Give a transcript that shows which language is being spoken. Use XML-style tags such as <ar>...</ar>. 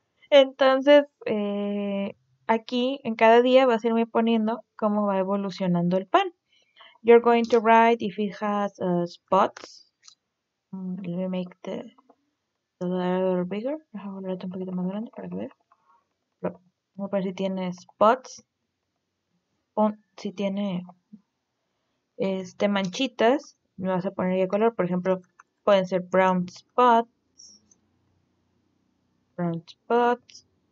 <es>Entonces, aquí en cada día vas a irme poniendo cómo va evolucionando el pan.</es> <en>You're going to write if it has spots. Let me make the letter bigger.</en> <es>Déjame volverte un poquito más grande para que veas. Vamos a ver si tiene spots. Si tiene manchitas, me vas a poner ya color. Por ejemplo, pueden ser brown spots. Brown spots.</es>